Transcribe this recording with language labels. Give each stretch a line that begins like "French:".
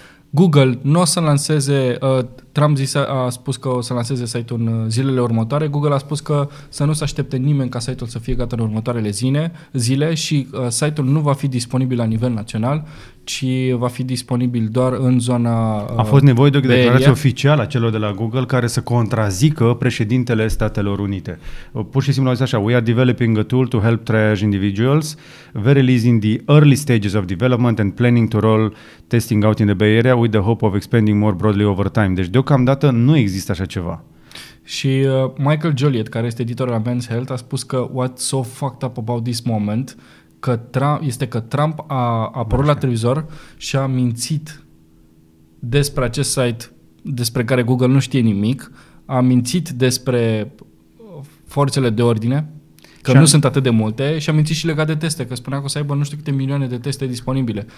Romanian: Google nu o să lanseze, Trump a spus că o să lanseze site-ul în zilele următoare, Google a spus că să nu se aștepte nimeni ca site-ul să fie gata în următoarele zile și site-ul nu va fi disponibil la nivel național, ci va fi disponibil doar în zona... A fost nevoie de o declarație oficială a celor de la Google care să contrazică președintele Statelor Unite. Pur și simplu a zis așa,
English: we are developing a tool to help triage individuals, very least in the early stages of development and planning to roll testing out in the Bay Area with the hope of expanding more broadly over time.
Romanian: Deci deocamdată nu există așa ceva. Și Michael Joliet, care este editor la Men's Health, a spus că
English: what's so fucked up about this moment...
Romanian: Este că Trump a apărut la televizor și a mințit despre acest site despre care Google nu știe nimic, a mințit despre forțele de ordine, că nu sunt atât de multe, și a mințit și legat de teste, că spunea că o să aibă nu știu câte milioane de teste disponibile.